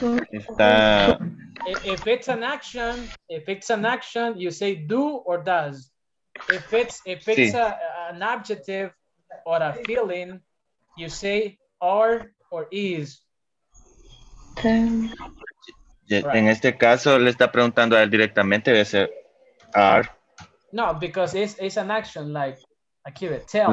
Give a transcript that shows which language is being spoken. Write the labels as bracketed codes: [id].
[en] If it's an action, you say do or does. If it's an adjective or a feeling, you say are or is. Right. [es] En este caso, le está preguntando a él directamente, debe ser are. [en] No, because it's an action, like, [es] aquí ve, [en] tell.